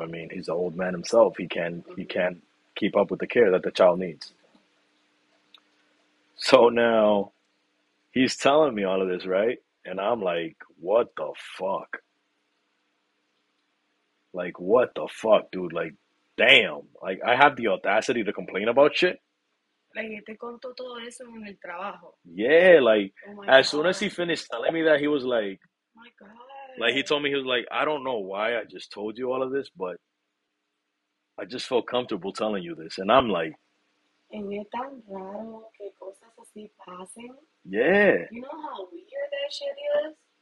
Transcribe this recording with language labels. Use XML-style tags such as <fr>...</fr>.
<en>I mean, he's an old man himself. He can't keep up with the care that the child needs. So now he's telling me all of this, right? And I'm like, what the fuck? Like, what the fuck, dude? Like, damn. Like, I have the audacity to complain about shit?</en> <es>La gente contó todo eso en el trabajo.</es> <en>Yeah, like, Oh my as soon as he God. finished telling me that, he was My like, he God. told me, he was like, I don't know why I just told you all of this, but I just felt comfortable telling you this. And I'm like,</en> <es>Es tan raro que cosas así pasen.</es> <en>yeah. You know how weird that shit is?</en>